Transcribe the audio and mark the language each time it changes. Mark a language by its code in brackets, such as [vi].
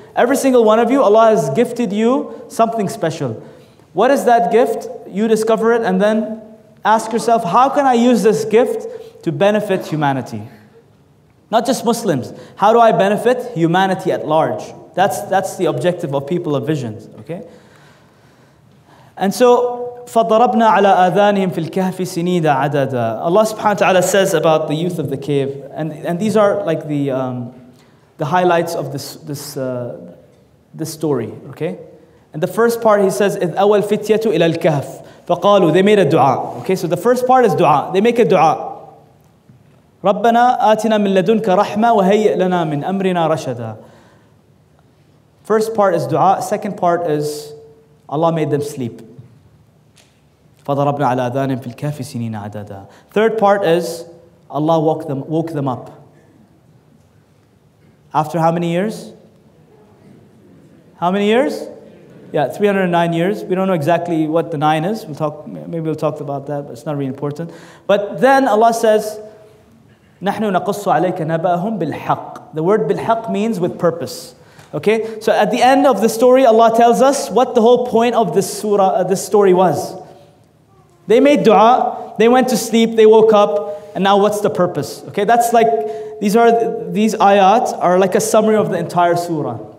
[en] Every single one of you, Allah has gifted you something special. What is that gift? You discover it and then ask yourself, how can I use this gift to benefit humanity? Not just Muslims. How do I benefit humanity at large? That's the objective of people of visions, okay? And so, [ar] فَضَرَبْنَا عَلَىٰ آذَانِهِمْ فِي الْكَهْفِ سِنِيدَ عَدَدًا. [en] Allah subhanahu wa ta'ala says about the youth of the cave, and these are like the highlights of this story, okay? And the first part, he says, [ar] إِذْ أَوَى الْفِتْيَةُ إِلَى الْكَهْفِ فَقَالُوا. [en] They made a dua. Okay, so the first part is dua. They make a dua. [ar] رَبَّنَا آتِنَا مِنْ لَدُنْكَ رَحْمَةً وَهَيِّئْ لَنَا مِنْ أَمْرِنَا رَشَدًا. [en] First part is dua. Second part is Allah made them sleep. [ar] فَضَرَبْنَا عَلَىٰ آذَانِهِمْ فِي الْكَهْفِ سِنِينَ عَدَدًا. [en] Third part is Allah woke them up. After how many years? How many years? Yeah, 309 years. We don't know exactly what the nine is. Maybe we'll talk about that, but it's not really important. But then Allah says, [ar] نَحْنُ نَقُصُّ عَلَيْكَ نَبَأَهُمْ بِالْحَقِّ. [en] The word بِالْحَقِّ means with purpose. Okay? So at the end of the story, Allah tells us what the whole point of this surah, this story was. They made dua, they went to sleep, they woke up, and now what's the purpose? Okay, that's like, these ayat are like a summary of the entire surah.